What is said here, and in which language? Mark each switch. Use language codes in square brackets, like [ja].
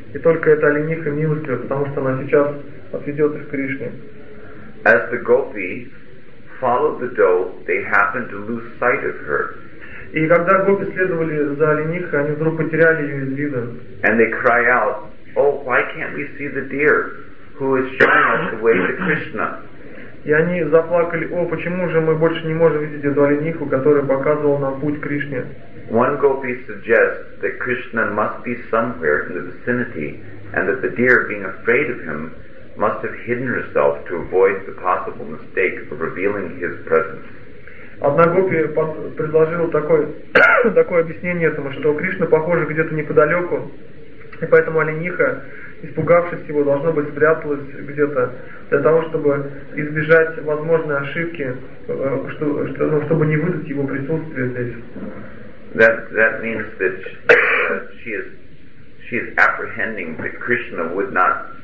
[ru] И только эта олениха милостива, потому что она сейчас отведет их к Кришне. [en] As the gopi followed the doe, they happened to lose sight of her. [ru] И когда гопи следовали за оленихой, они вдруг потеряли ее из вида. [en] And they cry out, oh, why can't we see the deer who is showing us the way to Krishna? [ru] И они заплакали, о, почему же мы больше не можем видеть эту олениху, которая показывала нам путь к Кришне? [en] One gopi suggests that Krishna must be somewhere in the vicinity, and that the deer, being afraid of him, must have hidden herself to avoid the possible mistake of revealing his presence. [ru] Одна гопи предложила такое объяснение этому, что Кришна, похоже, где-то неподалеку, и поэтому олениха, испугавшись его, должно быть, спряталась где-то для того, чтобы избежать возможной ошибки, чтобы не выдать его присутствие здесь. [en] That means that she is apprehending that Krishna would not.